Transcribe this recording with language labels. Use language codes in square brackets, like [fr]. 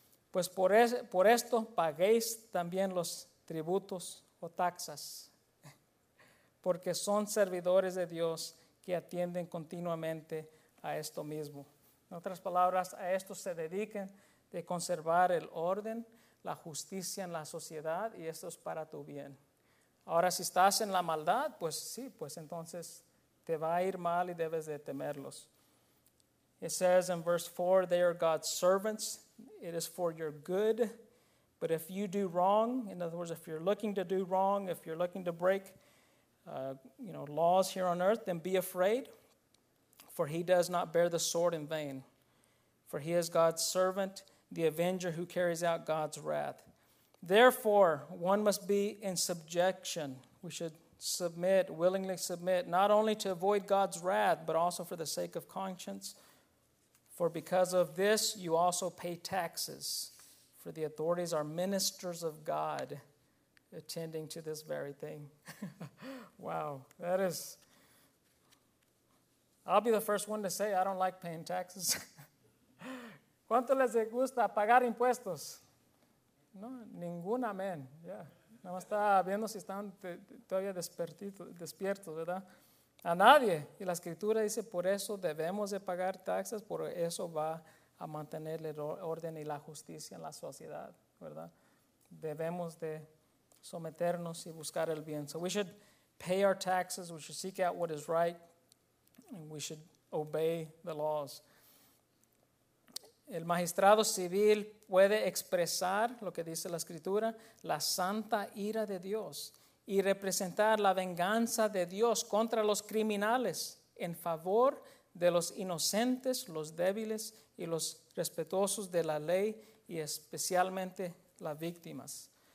[es] Pues por esto paguéis también los tributos o taxas, porque son servidores de Dios que atienden continuamente a esto mismo. En otras palabras, a esto se dediquen de conservar el orden, la justicia en la sociedad, y esto es para tu bien. Ahora, si estás en la maldad, pues sí, pues entonces te va a ir mal y debes de temerlos. [en] It says in verse 4, they are God's servants. It is for your good. But if you do wrong, in other words, if you're looking to do wrong, if you're looking to break laws here on earth, then be afraid, for he does not bear the sword in vain. For he is God's servant, the avenger who carries out God's wrath. Therefore, one must be in subjection. We should submit, willingly submit, not only to avoid God's wrath, but also for the sake of conscience. For because of this, you also pay taxes. For the authorities are ministers of God, attending to this very thing. Wow, that is... I'll be the first one to say I don't like paying taxes. [es] ¿Cuánto les gusta pagar impuestos? No, ningún amén. [en] Yeah. [es] Nada más está viendo si están todavía despiertos, ¿verdad? A nadie. Y la escritura dice, por eso debemos de pagar taxes, por eso va a mantener el orden y la justicia en la sociedad, ¿verdad? Debemos de someternos y buscar el bien. [en] So we should pay our taxes, we should seek out what is right, and we should obey the laws. [es] El magistrado civil puede expresar, lo que dice la escritura, la santa ira de Dios y representar la venganza de Dios contra los criminales en favor de los inocentes, los débiles y los respetuosos de la ley y especialmente las víctimas.